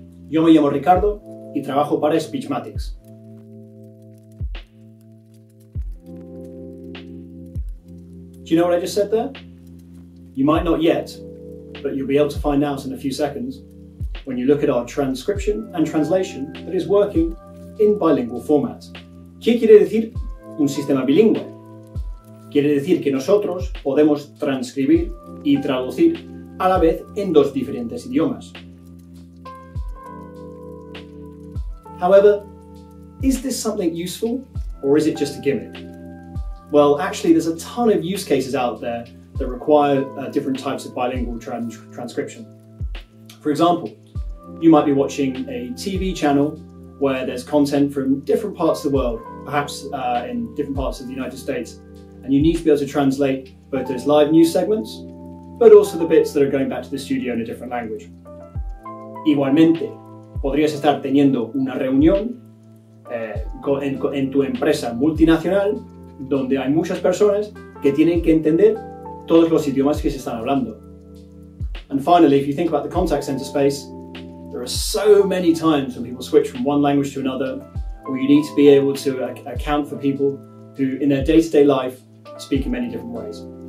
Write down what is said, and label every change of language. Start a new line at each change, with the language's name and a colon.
Spanish: Yo me llamo Ricardo y trabajo para Speechmatics.
English: Do you know what I just said there? You might not yet, but you'll be able to find out in a few seconds when you look at our transcription and translation that is working in bilingual format.
Spanish: ¿Qué quiere decir un sistema bilingüe? Quiere decir que nosotros podemos transcribir y traducir a la vez en dos diferentes idiomas.
English: However, is this something useful or is it just a gimmick? Well, actually, there's a ton of use cases out there that require different types of bilingual transcription. For example, you might be watching a TV channel where there's content from different parts of the world, perhaps in different parts of the United States, and you need to be able to translate both those live news segments, but also the bits that are going back to the studio in a different language.
Spanish: Igualmente, podrías estar teniendo una reunión en tu empresa multinacional donde hay muchas personas que tienen que entender todos los idiomas que se están hablando.
English: And finally, if you think about the contact center space, there are so many times when people switch from one language to another, or you need to be able to account for people who, in their day-to-day life, speak in many different ways.